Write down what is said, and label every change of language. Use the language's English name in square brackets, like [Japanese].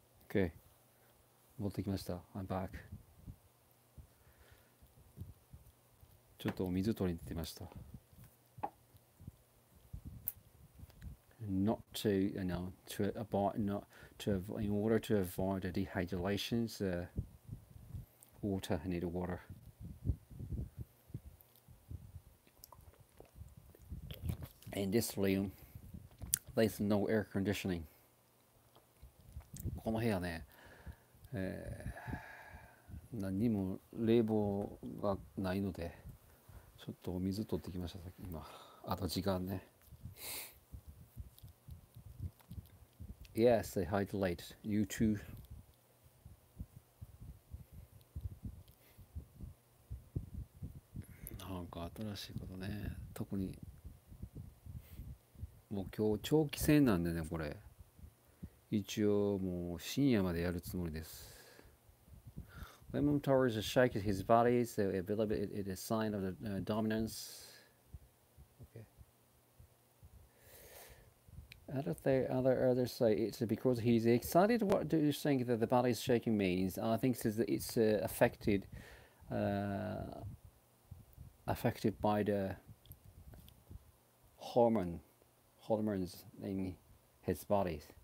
[Japanese] Okay. 戻ってきました。 [English] I'm back。 [Japanese] ちょっとお水取りに行ってました。 [English] Not to, you know, to avoid, not to, in order to avoid the dehydrations, water, I need water. In this room, there's no air conditioning. [Japanese] この部屋ね、何も冷房がないので、ちょっとお水取ってきました。さっき今、あと時間ね。 [English] Yes, they hydrate. You too. [Japanese] なんか新しいことね。特にもう今日長期戦なんでね、これ。一応もう深夜までやるつもりです。 [English] When Momotaro is shaking his body, so a little bit it is a sign of the dominance. Other say it's because he's excited. What do you think that the body is shaking means? I think it's affected by the hormones in his body.